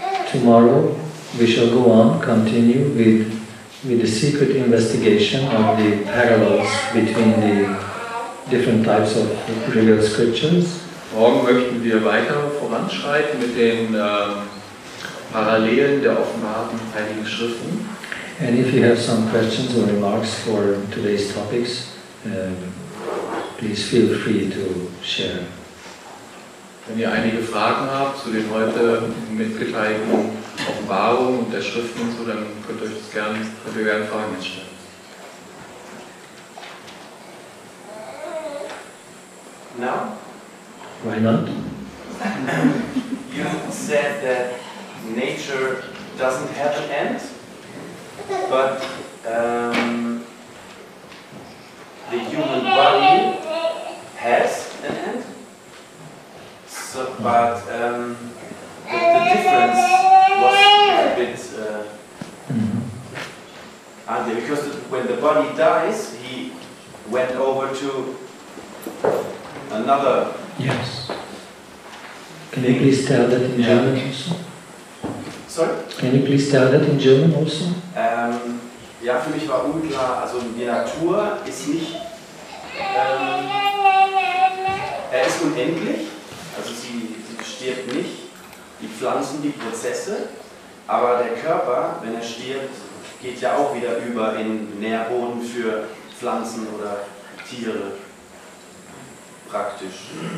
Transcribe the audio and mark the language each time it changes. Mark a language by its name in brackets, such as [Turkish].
[English] Tomorrow we shall go on, continue with the secret investigation of the parallels between the different types of real scriptures. [German] Morgen möchten wir weiter voranschreiten mit den Parallelen der offenbarten Heiligen Schriften. [English] And if you have some questions or remarks for today's topics, please feel free to share. [German] Wenn ihr einige Fragen habt zu den heute mitgeteilten Offenbarungen und der Schriften und so, dann könnt ihr euch das gerne, könnt ihr gerne Fragen stellen. [English] Now? Why not? You said that nature doesn't have an end, but the human body has an end. So, but the difference was a bit under, because when the body dies, he went over to another. Yes. Can you please tell that in German also? Sorry? Can you please tell that in German also? [German] Ja, für mich war unklar, also die Natur ist nicht, ist unendlich, also sie stirbt nicht, die Pflanzen, die Prozesse, aber der Körper, wenn er stirbt, geht ja auch wieder über in Nährboden für Pflanzen oder Tiere, praktisch.